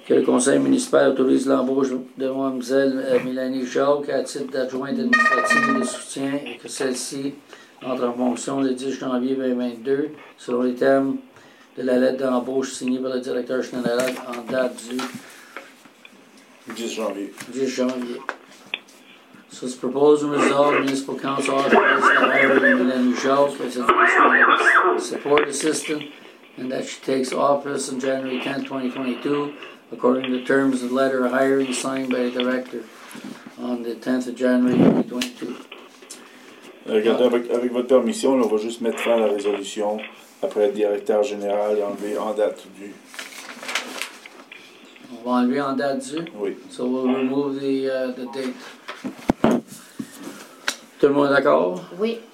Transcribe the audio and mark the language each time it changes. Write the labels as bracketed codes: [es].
[fr] Que le conseil municipal autorise l'embauche de Mademoiselle Mélanie Jacques à titre d'adjointe administrative de soutien et que celle-ci entre en fonction le 10 janvier 2022 selon les termes de la lettre d'embauche signée par le directeur général en date du 10 janvier. [en] So it's proposed and resolved, municipal council authorized the hiring of Mélanie Jacques as a support assistant, and that she takes office on January 10, 2022, according to the terms of letter of hiring signed by the director on the 10th of January 2022. [fr] Regardez, avec votre permission, on va juste mettre fin à la résolution. Après être directeur général et enlever en date du. On va enlever en date du? Oui. [en] So we'll remove the date. [fr] Tout le monde est d'accord? Oui.